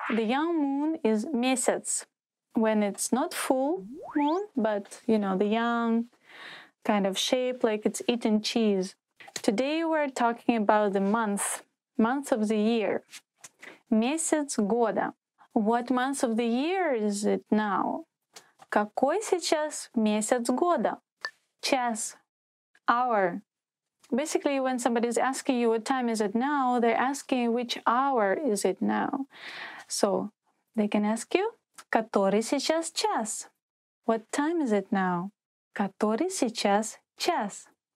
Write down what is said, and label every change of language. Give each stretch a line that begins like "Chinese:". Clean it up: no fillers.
English: The young moon is месяц. When it's not full moon, but, you know, the young kind of shape, like it's eaten cheese. Today we're talking about the month, month of the year.
Russian: Месяц года.
English: What month of the year is it now?
Russian: Какой сейчас месяц года? Час. Hour.
English: Basically, when somebody's asking you what time is it now, they're asking which hour is it now. So, they can ask you,
Russian: который сейчас час?
English: What time is it now?
Russian: Который сейчас час?